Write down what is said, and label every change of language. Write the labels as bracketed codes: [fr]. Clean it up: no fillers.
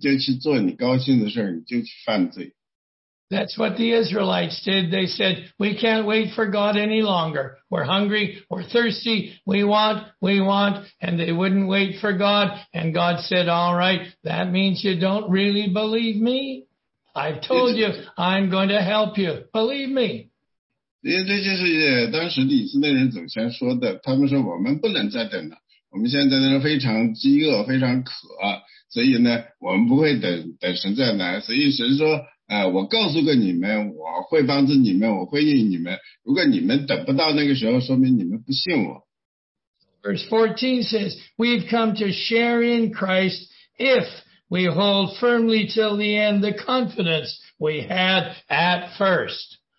[zh] 所以被罪迷惑的是什么呢？说别再等了，不要等太长的时间。现在呢，你就去做你高兴的事儿，你就去犯罪。 [en] That's what the Israelites did. They said, we can't wait for God any longer. We're hungry, we're thirsty, we want, and they wouldn't wait for God. And God said, all right, that means you don't really believe me. I've told you, I'm going to help you. Believe me. [zh] 这就是当时的以色列人祖先说的，他们说我们不能再等了，我们现在呢非常饥饿，非常渴，所以呢我们不会等神再来，所以神说， 我告诉过你们，我会帮助你们，我会应你们。如果你们等不到那个时候，说明你们不信我。 [en] Verse 14 says, "We've come to share in Christ if we hold firmly till the end the confidence we had at first."